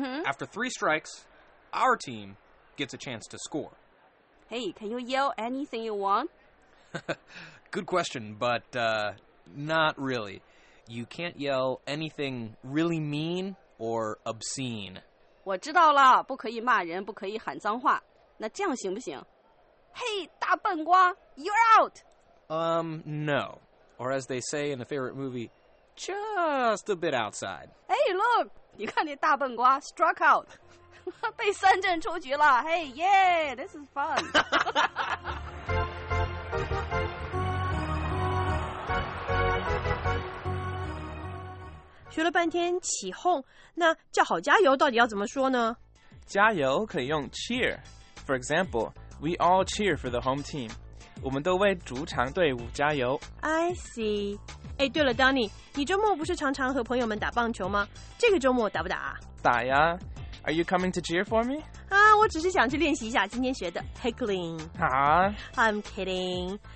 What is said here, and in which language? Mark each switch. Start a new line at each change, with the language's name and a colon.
English: After three strikes, our team gets a chance to score. Hey, can you yell anything you want? Good question, but not really. You can't yell anything really mean or obscene.
Chinese: 我知道了，不可以骂人，不可以喊脏话。那这样行不行？
English: Hey,
Chinese: 大笨瓜
English: you're out! No. Or as they say in a favorite movie, just a bit outside. Hey, look!
Chinese: 你看那大笨瓜
English: struck out.
Chinese: 被三振出局了。
English: Hey, yeah! This is fun.
Chinese: 学了半天起哄，那叫好加油到底要怎么说呢？加油可以用 cheer.
English: For example, we all cheer for the home team.
Chinese: 我们都为主场队伍加油。
English: I see.
Chinese: 哎，对了 ，Donny， 你周末不是常常和朋友们打棒球吗？这个周末打不打？打呀。
English: Are you coming to cheer for me?
Chinese: 啊，我只是想去练习一下今天学的 heckling。啊
English: ？I'm kidding.